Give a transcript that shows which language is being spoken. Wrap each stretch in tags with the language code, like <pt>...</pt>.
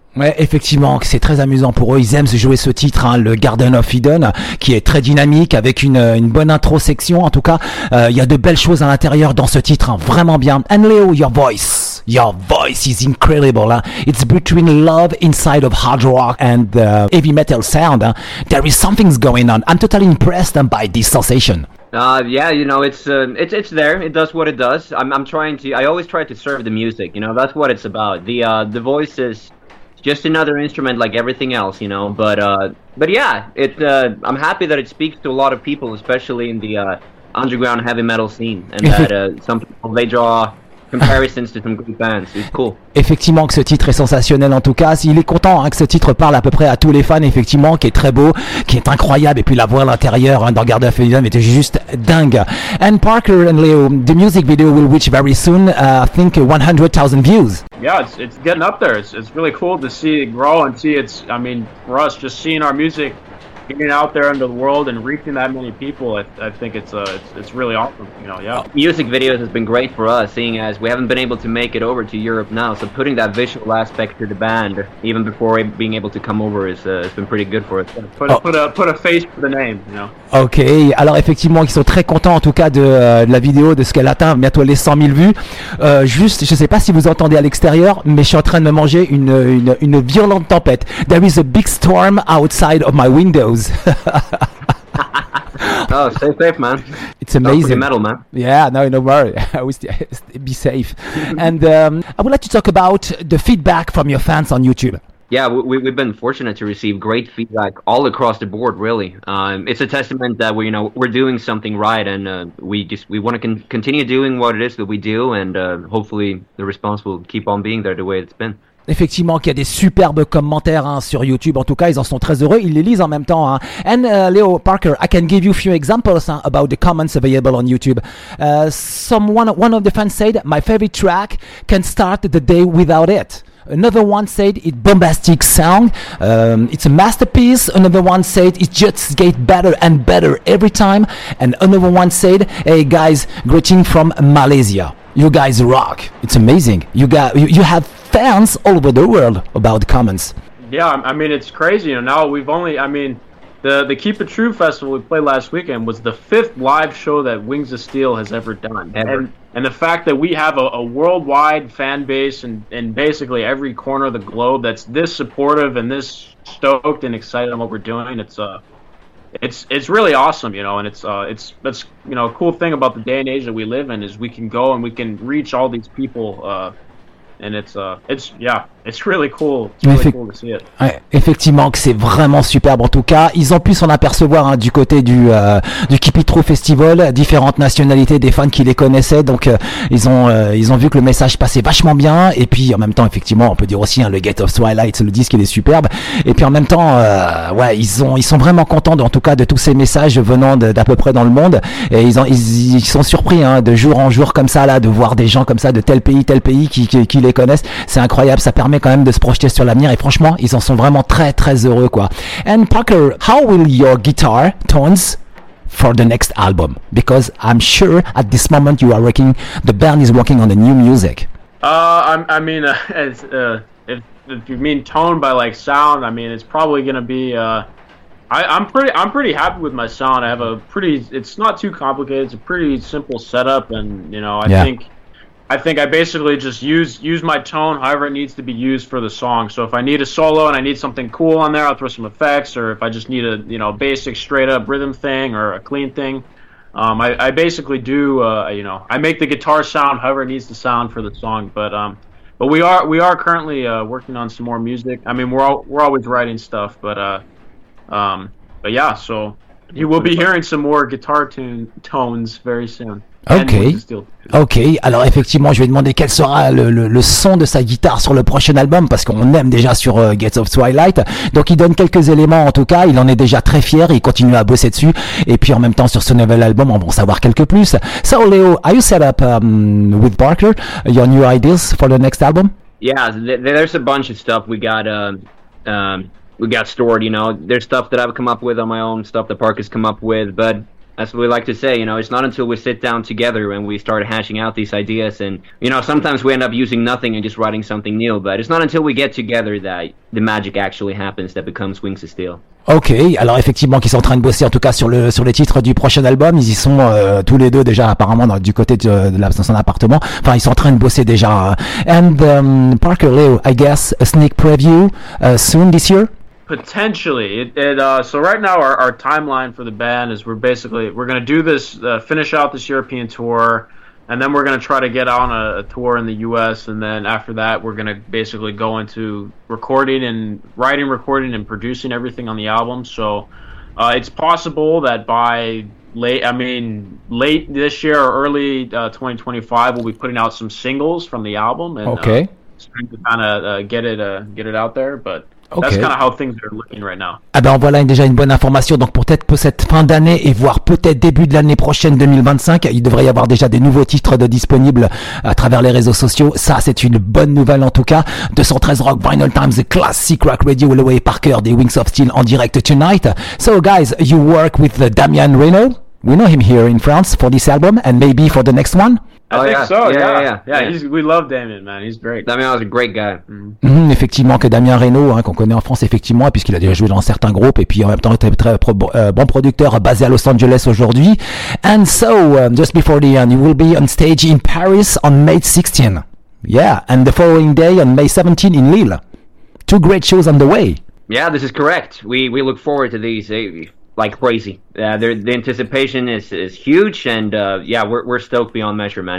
<fr>Ouais, effectivement, c'est très amusant pour eux. Ils aiment jouer ce titre, hein, le Garden of Eden, qui est très dynamique, avec une bonne introspection. En tout cas, il y a de belles choses à l'intérieur dans ce titre, hein, vraiment bien.</fr> <en>And Leo, your voice is incredible.</en> <fr>Hein.</fr> <en>It's between love inside of hard rock and heavy metal sound.</en> <fr>Hein.</fr> <en>There is something going on. I'm totally impressed by this sensation. Yeah, you know, it's there. It does what it does. I always try to serve the music. You know, that's what it's about. The voice is just another instrument like everything else, you know, but yeah, I'm happy that it speaks to a lot of people, especially in the underground heavy metal scene, and that some people, they draw comparisons to some good bands. It's cool.</en> <fr>Effectivement que ce titre est sensationnel, en tout cas il est content, hein, que ce titre parle à peu près à tous les fans, effectivement, qui est très beau, qui est incroyable, et puis la voix à l'intérieur, hein, dans Garden of Eden était juste dingue.</fr> <en>And Parker and Leo, the music video will reach very soon, I think 100,000 views. Yeah, it's getting up there. It's really cool to see it grow and see it's, I mean, for us, just seeing our music getting out there into the world and reaching that many people, I think it's really awesome, you know. Yeah, music videos has been great for us, seeing as we haven't been able to make it over to Europe now, so putting that visual aspect to the band even before being able to come over is it's been pretty good for us. Put a face for the name, you know.</en> <fr>Okay, alors effectivement ils sont très contents en tout cas de la vidéo, de ce qu'elle atteint bientôt les 100,000 vues. Juste, je sais pas si vous entendez à l'extérieur, mais je suis en train de me manger une violente tempête.</fr> <en>There is a big storm outside of my window. Oh, stay safe, man. It's amazing. Don't forget metal, man. Yeah, no worry. Be safe. And I would like to talk about the feedback from your fans on YouTube. Yeah, we've been fortunate to receive great feedback all across the board, really. It's a testament that we, you know, we're doing something right, and we want to continue doing what it is that we do, and hopefully the response will keep on being there the way it's been.</en> <fr>Effectivement qu'il y a des superbes commentaires, hein, sur YouTube. En tout cas, ils en sont très heureux. Ils les lisent en même temps. Hein.</fr> <en>And Leo Parker, I can give you a few examples,</en> <fr>hein,</fr> <en>about the comments available on YouTube. One of the fans said, my favorite track can start the day without it. Another one said, it's bombastic sound. It's a masterpiece. Another one said, it just gets better and better every time. And another one said, hey guys, greeting from Malaysia. You guys rock. It's amazing. You have fans all over the world about comments. Yeah, I mean, it's crazy. You know, now we've only, I mean, the Keep It True Festival we played last weekend was the fifth live show that Wings of Steel has ever done. Ever. And the fact that we have a worldwide fan base in basically every corner of the globe that's this supportive and this stoked and excited on what we're doing, it's really awesome, you know. And it's you know, a cool thing about the day and age that we live in is we can go and we can reach all these people, and it's really cool. It's really cool to see it.</en> <fr>Ouais, effectivement que c'est vraiment superbe. En tout cas, ils ont pu s'en apercevoir, hein, du côté du Keep It True Festival, différentes nationalités, des fans qui les connaissaient. Donc ils ont vu que le message passait vachement bien. Et puis en même temps, effectivement, on peut dire aussi, hein, le Gate of Twilight, le disque, il est superbe. Et puis en même temps, ouais, ils sont vraiment contents, en tout cas, de tous ces messages venant d'à peu près dans le monde. Et ils sont surpris, hein, de jour en jour comme ça là, de voir des gens comme ça de tel pays qui les connaissent. C'est incroyable, ça permet quand même de se projeter sur l'avenir, et franchement ils en sont vraiment très très heureux, quoi.</fr> <en>And Parker, how will your guitar tones for the next album, because I'm sure at this moment you are working, the band is working on the new music. If you mean tone by like sound, I mean it's probably gonna be I'm pretty happy with my sound. I have a pretty, it's not too complicated, it's a pretty simple setup, and you know, I think I basically just use my tone however it needs to be used for the song. So if I need a solo and I need something cool on there, I'll throw some effects. Or if I just need a, you know, basic straight up rhythm thing or a clean thing, I basically do, you know, I make the guitar sound however it needs to sound for the song. But we are currently working on some more music. I mean, we're always writing stuff, but yeah. So you will be hearing some more guitar tones very soon. Ok. Ok.</en> <fr>Alors effectivement, je vais demander quel sera le son de sa guitare sur le prochain album, parce qu'on aime déjà sur Gates of Twilight. Donc il donne quelques éléments en tout cas. Il en est déjà très fier. Il continue à bosser dessus. Et puis en même temps sur ce nouvel album, on va en savoir quelques plus.</fr> <en>So Leo, are you set up with Barker your new ideas for the next album? Yeah, there's a bunch of stuff we got stored. You know, there's stuff that I've come up with on my own, stuff that Park has come up with, but that's what we like to say, you know, it's not until we sit down together and we start hashing out these ideas. And, you know, sometimes we end up using nothing and just writing something new. But it's not until we get together that the magic actually happens that becomes Wings of Steel.</en> <fr>Ok, alors effectivement qu'ils sont en train de bosser en tout cas sur les titres du prochain album. Ils y sont tous les deux déjà apparemment du côté de son appartement. Enfin, ils sont en train de bosser déjà.</fr> <en>And Parker Leo, I guess a sneak preview soon this year? Potentially. So right now our timeline for the band is we're going to do this, finish out this European tour, and then we're going to try to get on a tour in the US, and then after that we're going to basically go into recording and writing, recording and producing everything on the album. So it's possible that by late this year or early 2025 we'll be putting out some singles from the album and okay. Trying to kind of get it out there, but okay. That's kind of how things are looking right now.</en> <fr>Ah ben voilà déjà une bonne information. Donc peut-être pour cette fin d'année et voire peut-être début de l'année prochaine 2025, il devrait y avoir déjà des nouveaux titres de disponibles à travers les réseaux sociaux. Ça, c'est une bonne nouvelle en tout cas. 213 Rock Vinyl Times Classic Rock Radio Leo Parker des Wings of Steel en direct</fr> <en>tonight. So guys, you work with Damien Reynaud. We know him here in France for this album and maybe for the next one. Yeah. We love Damien, man. He's great. Damien is a great guy. Mm-hmm. Effectivement, que Damien Reynaud, qu'on connaît en France, effectivement, puisqu'il a déjà joué dans certains groupes, et puis en même temps, très, très bon producteur basé à Los Angeles aujourd'hui. And so, just before the end, you will be on stage in Paris on May 16th. Yeah, and the following day on May 17th in Lille. Two great shows on the way. Yeah, this is correct. We look forward to these. Like crazy. The anticipation is huge, and we're stoked beyond measure, man.</en>